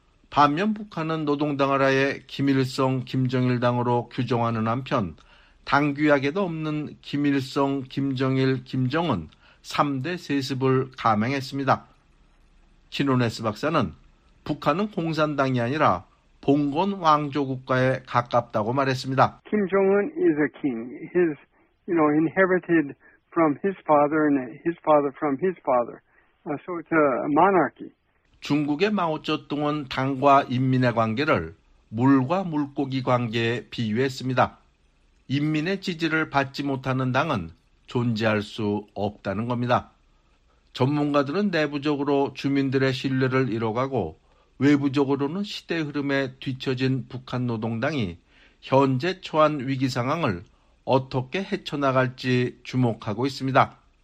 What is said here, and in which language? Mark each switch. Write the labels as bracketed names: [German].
[Korean] 반면 북한은 노동당을 하에 김일성, 김정일당으로 규정하는 한편 당규약에도 없는 김일성, 김정일, 김정은 3대 세습을 감행했습니다. 키노네스 박사는 북한은 공산당이 아니라 봉건 왕조 국가에 가깝다고 말했습니다. [English] Kim Jong-un is a king. He's, you know, inherited from his father and his father from his father. So it's a monarchy. [Korean] 중국의 마오쩌둥은 당과 인민의 관계를 물과 물고기 관계에 비유했습니다. 인민의 지지를 받지 못하는 당은 존재할 수 없다는 겁니다. 전문가들은 내부적으로 주민들의 신뢰를 잃어가고 외부적으로는 시대 흐름에 뒤처진 북한 노동당이 현재 처한 위기 상황을 어떻게 헤쳐나갈지 주목하고 있습니다.